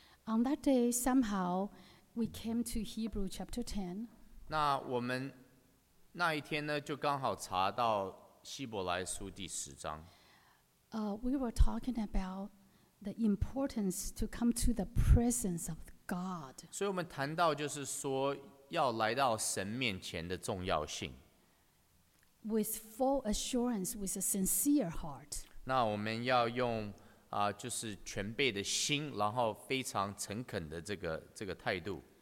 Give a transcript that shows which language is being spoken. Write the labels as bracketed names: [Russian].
[English] On that day, somehow we came to Hebrew chapter 10. [Chinese] 那我们那一天呢，就刚好查到希伯来书第十章。 [English] We were talking about the importance to come to the presence of God. [Chinese] 所以我们谈到就是说要来到神面前的重要性。 [English] With full assurance, with a sincere heart. [Chinese] 那我们要用就是全备的心，然后非常诚恳的这个态度。